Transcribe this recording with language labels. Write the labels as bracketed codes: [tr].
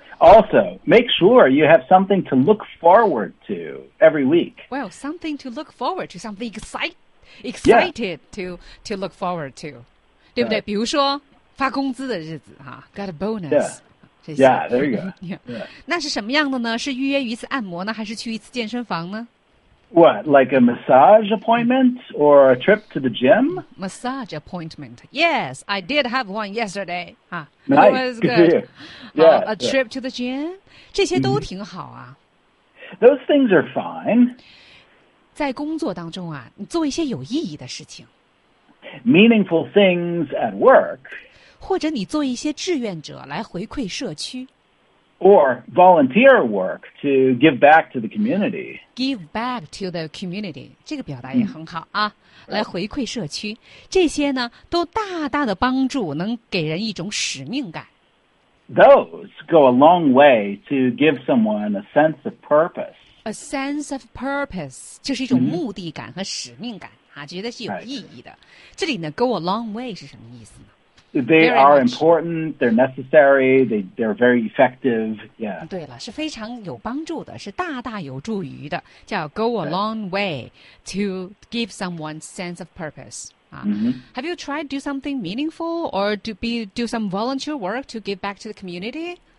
[en] Also, make sure you have something to look forward to every week. Well, something to look forward to, something excited to look forward to, [zh] 对不对？比如说发工资的日子哈、啊、， [en] got a bonus. Yeah, there you go. Yeah. Yeah. [zh] 那是什么样的呢？是预约一次按摩呢，还是去一次健身房呢？ [en] What, like a massage appointment or a trip to the gym? Massage appointment. Yes, I did have one yesterday. Huh. Nice. It was good. A trip to the gym. [zh] 这些都挺好啊。 [en] Those things are fine. [zh] 在工作当中啊，你做一些有意义的事情。 [en] Meaningful things at work. [zh] 或者你做一些志愿者来回馈社区。 [en] Or volunteer work to give back to the community. Give back to the community. [zh] 这个表达也很好啊、来回馈社区。这些呢都大大的帮助能给人一种使命感。 [en] Those go a long way to give someone a sense of purpose. A sense of purpose. [zh] 就是一种目的感和使命感、觉得是有意义的。这里呢 go a long way 是什么意思呢？ [en] They are important, they're necessary, they're very effective, yeah. [zh] 对了，是非常有帮助的，是大大有助于的，叫 [en] go a long way to give someone sense of purpose.、Have you tried to do something meaningful or do some volunteer work to give back to the community?